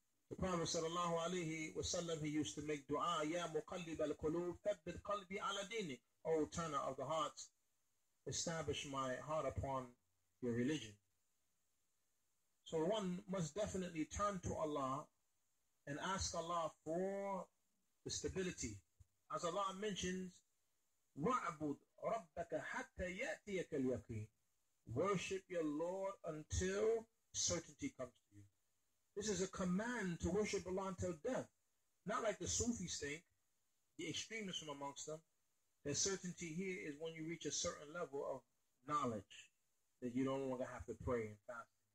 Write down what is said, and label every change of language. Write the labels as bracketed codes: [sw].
[en] The Prophet sallallahu alayhi wa sallam, he used to make dua, [ar] Ya muqallib al-qulub, thabbit qalbi ala dini. [en] O turner of the heart, establish my heart upon your religion. So one must definitely turn to Allah and ask Allah for the stability. As Allah mentions, [ar] وَعْبُدْ رَبَّكَ حَتَّى يَأْتِيَكَ الْيَقِينَ. [en] Worship your Lord until certainty comes to you. This is a command to worship Allah until death. Not like the Sufis think, the extremists from amongst them, that certainty here is when you reach a certain level of knowledge that you don't longer have to pray and fast.